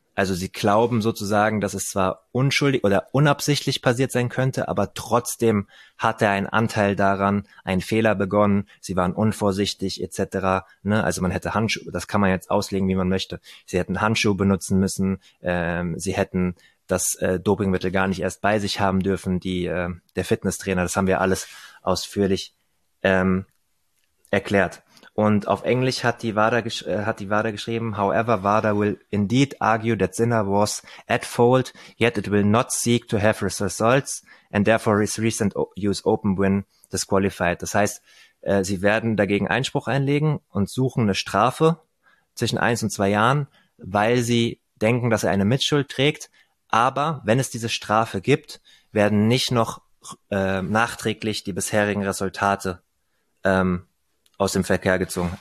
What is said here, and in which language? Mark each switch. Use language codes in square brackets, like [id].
[de] Also sie glauben sozusagen, dass es zwar unschuldig oder unabsichtlich passiert sein könnte, aber trotzdem hat er einen Anteil daran, einen Fehler begonnen, sie waren unvorsichtig etc. Ne? Also man hätte Handschuhe, das kann man jetzt auslegen, wie man möchte. Sie hätten Handschuhe benutzen müssen, sie hätten das Dopingmittel gar nicht erst bei sich haben dürfen, der Fitnesstrainer, das haben wir alles ausführlich erklärt. Und auf Englisch hat die WADA geschrieben, [en] however, WADA will indeed argue that Sinner was at fault, yet it will not seek to have his results, and therefore his recent US Open win disqualified. [de] Das heißt, sie werden dagegen Einspruch einlegen und suchen eine Strafe zwischen 1 und 2 Jahren, weil sie denken, dass er eine Mitschuld trägt. Aber wenn es diese Strafe gibt, werden nicht noch nachträglich die bisherigen Resultate aus dem Verkehr gezogen.